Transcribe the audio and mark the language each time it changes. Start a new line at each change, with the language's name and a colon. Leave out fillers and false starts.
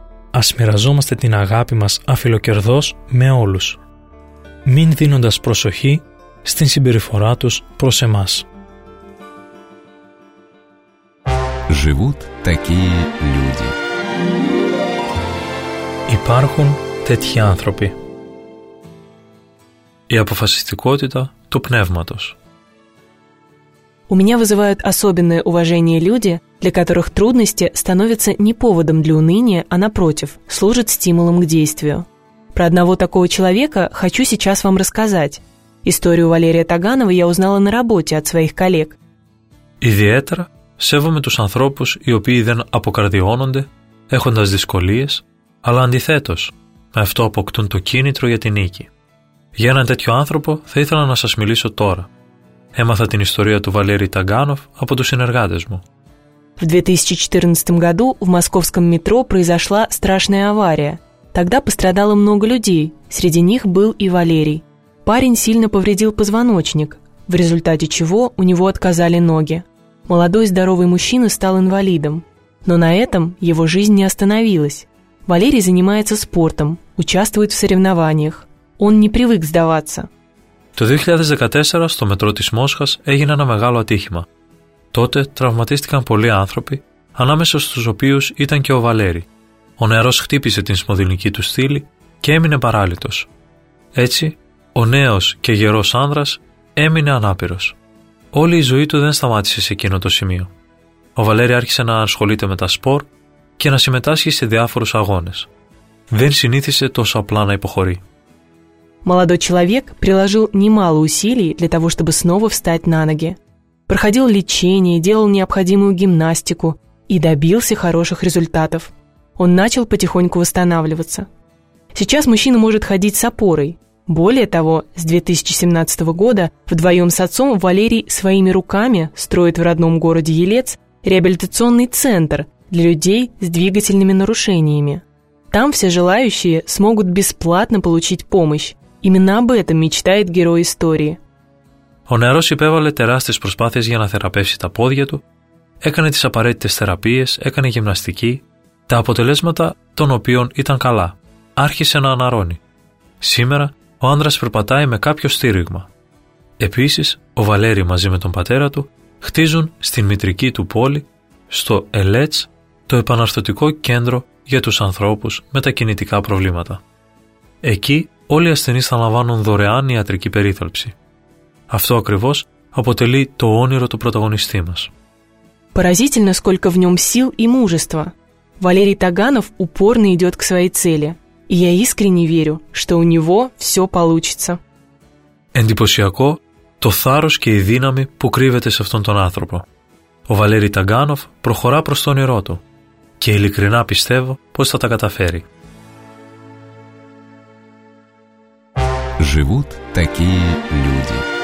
Greek: Ας μοιραζόμαστε την αγάπη μας αφιλοκερδώς με όλους, μην δίνοντας προσοχή στην συμπεριφορά τους προς εμάς.
Russian: Живут такие люди.
Greek: Υπάρχουν τέτοιοι άνθρωποι. Η αποφασιστικότητα του πνεύματος.
Russian: У меня вызывают особенное уважение люди, для которых трудности становятся не поводом для уныния, а напротив, служат стимулом к действию. Про одного такого человека хочу сейчас вам рассказать. Историю Валерия Таганова я узнала на работе от своих коллег.
Greek: Ιδιαίτερα σέβομαι τους ανθρώπους οι οποίοι δεν αποκαρδιώνονται, έχοντας δυσκολίες, αλλά αντιθέτως, με αυτό αποκτούν το κίνητρο για την νίκη. Για έναν τέτοιο άνθρωπο θα ήθελα να σας μιλήσω τώρα. Έμαθα την ιστορία του Валерия Таганова από τους συνεργάτες μου.
Russian: В 2014 году в московском метро произошла страшная авария. Тогда пострадало много людей, среди них был и Валерий. Парень сильно повредил позвоночник, в результате чего у него отказали ноги. Молодой здоровый мужчина стал инвалидом. Но на этом его жизнь не остановилась. Валерий занимается спортом, участвует в соревнованиях. Он не привык сдаваться.
Greek: Το 2014 στο μετρό της Μόσχας έγινε ένα μεγάλο ατύχημα. Τότε τραυματίστηκαν πολλοί άνθρωποι, ανάμεσα στους οποίους ήταν και ο Βαλέρη. Ο νεαρός χτύπησε την σμοδυλική του στήλη και έμεινε παράλυτος. Έτσι, ο νέος και γερός άνδρας έμεινε ανάπηρος. Όλη η ζωή του δεν σταμάτησε σε εκείνο το σημείο. Ο Βαλέρη άρχισε να ασχολείται με τα σπορ και να συμμετάσχει σε διάφορους αγώνες. Δεν συνήθισε τόσο απλά να υποχωρεί.
Russian: Молодой человек приложил немало усилий для того, чтобы снова встать на ноги. Проходил лечение, делал необходимую гимнастику и добился хороших результатов. Он начал потихоньку восстанавливаться. Сейчас мужчина может ходить с опорой. Более того, с 2017 года вдвоем с отцом Валерий своими руками строит в родном городе Елец реабилитационный центр для людей с двигательными нарушениями. Там все желающие смогут бесплатно получить помощь. Именно об этом мечтает герой истории.
Greek: Ο νεαρός υπέβαλε τεράστιες προσπάθειες για να θεραπεύσει τα πόδια του, έκανε τις απαραίτητες θεραπείες, έκανε γυμναστική, τα αποτελέσματα των οποίων ήταν καλά. Άρχισε να αναρρώνει. Σήμερα, ο άνδρας περπατάει με κάποιο στήριγμα. Επίσης, ο Βαλέρη μαζί με τον πατέρα του χτίζουν στην μητρική του πόλη, στο ΕΛΕΤΣ, το επαναρθωτικό κέντρο για τους ανθρώπους με τα κινητικά προβλήματα. Εκεί όλοι οι ασθενείς θα λαμβάνουν δωρεάν ιατρική περίθαλψη. Αυτό ακριβώς αποτελεί το όνειρο του πρωταγωνιστή μας.
Russian: Поразительно, сколько в нем сил и мужества. Валерий Таганов упорно идет к своей цели. И я искренне верю, что у него все получится.
Greek: Εντυπωσιακό το θάρρος και η δύναμη που κρύβεται σε αυτόν τον άνθρωπο. Ο Βαλέρη Ταγκάνοφ προχωρά προς το όνειρό του και ειλικρινά πιστεύω πως θα τα καταφέρει.
Russian: Живут такие люди.